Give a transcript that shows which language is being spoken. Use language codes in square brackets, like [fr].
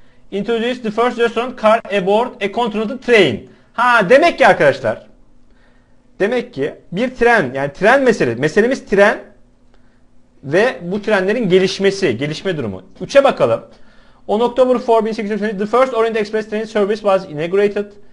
[en] Introduce the first restaurant car aboard a controlled train. [tr] Ha, demek ki arkadaşlar. Demek ki bir tren, yani tren meselemiz tren ve bu trenlerin gelişmesi, gelişme durumu. Üçe bakalım. [en] On October 4, 1880, the first Orient Express train service was inaugurated.